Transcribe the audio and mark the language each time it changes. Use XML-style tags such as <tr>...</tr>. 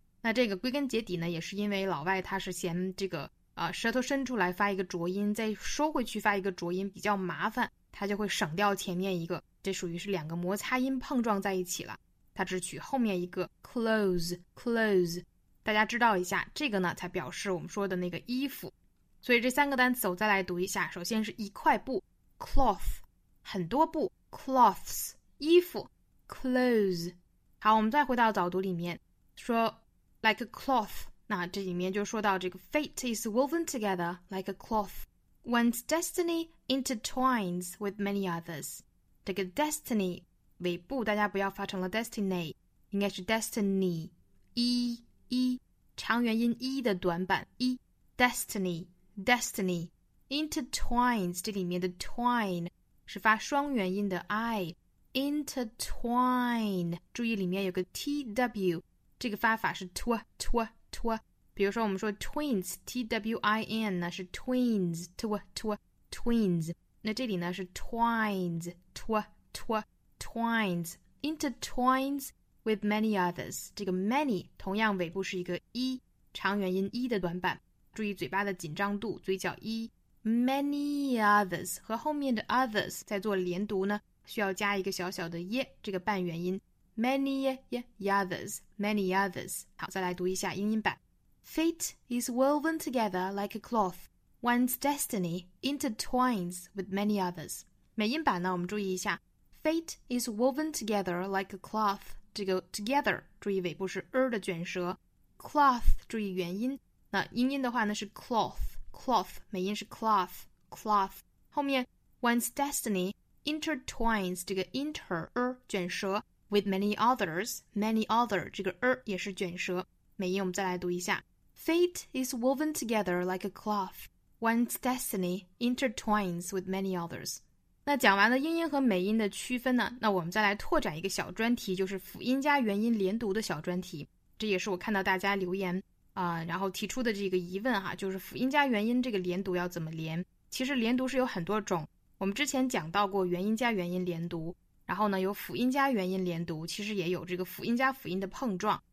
<zh>那这个归根结底呢也是因为老外他是嫌这个舌头伸出来发一个浊音，再说回去发一个浊音比较麻烦，他就会省掉前面一个，这属于是两个摩擦音碰撞在一起了，他只取后面一个 close。大家知道一下这个呢才表示我们说的那个衣服。所以这三个单词我再来读一下，首先是一块布 cloth， 很多布 cloths， 衣服 clothes。好，我们再回到早读里面说</zh> <en>like a cloth，</en> <zh>那这里面就说到这个</zh> <en>fate is woven together like a cloth， one's destiny intertwines with many others。</en> <zh>这个 destiny 尾部大家不要发成了 destiny， 应该是 destiny， 一长元音一的短板一</zh> <en>destiny intertwines，</en> <zh>这里面的 twine 是发双元音的 i， intertwine， 注意里面有个 tw， 这个发法是 tw， 比如说我们说 twins， twin 呢是 twins， twins， 那这里呢是 twines， twines，</zh> <en>intertwines with many others，</en> <zh>这个 many 同样尾部是一个 e， 长元音 e 的短板，注意嘴巴的紧张度，嘴角一</zh> <en>many others</en> <zh>和后面的 others 在做连读呢，需要加一个小小的 ye 这个半元音 many others。好，再来读一下英音版。</zh> <en>Fate is woven together like a cloth, one's destiny intertwines with many others。</en> <zh>美音版呢我们注意一下，</zh> <en>Fate is woven together like a cloth，</en> <zh>这个 together 注意尾部是 的卷舌， cloth 注意元音，那英音的话呢是 cloth， 美音是 cloth， 后面</zh> <en>one's destiny intertwines</en> <zh>这个 卷舌</zh> <en>with many others</en> <zh>这个也是卷舌，美音我们再来读一下。</zh> <en>Fate is woven together like a cloth, one's destiny intertwines with many others。</en> <zh>那讲完了英音和美音的区分呢，那我们再来拓展一个小专题，就是辅音加元音连读的小专题，这也是我看到大家留言然后提出的这个疑问哈，就是辅音加元音这个连读要怎么连。其实连读是有很多种，我们之前讲到过元音加元音连读，然后呢有辅音加元音连读，其实也有这个辅音加辅音的碰撞。</zh>